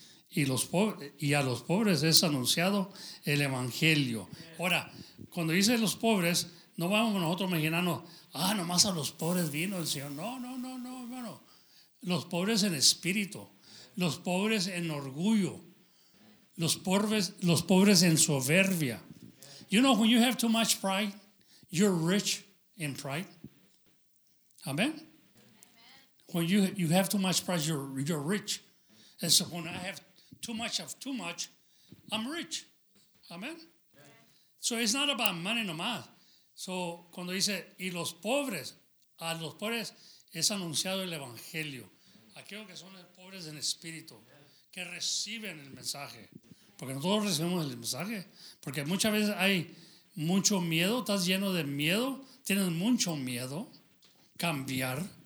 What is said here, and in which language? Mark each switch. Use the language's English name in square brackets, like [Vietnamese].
[Spanish] Y a los pobres es anunciado el evangelio. Ahora, cuando dice los pobres, no vamos nosotros imaginando, nomás a los pobres vino el Señor. No, hermano. Los pobres en espíritu, los pobres en orgullo, los pobres en soberbia. [English] You know, when you have too much pride, you're rich in pride. Amen. When you have too much pride, you're rich. And so when I have too much, I'm rich. Amen. So it's not about money nomás. [Spanish] So cuando dice, y los pobres, a los pobres es anunciado el evangelio. Aquellos que son pobres en espíritu, que reciben el mensaje. Porque no todos recibimos el mensaje. Porque muchas veces hay mucho miedo, estás lleno de miedo, tienes mucho miedo cambiar.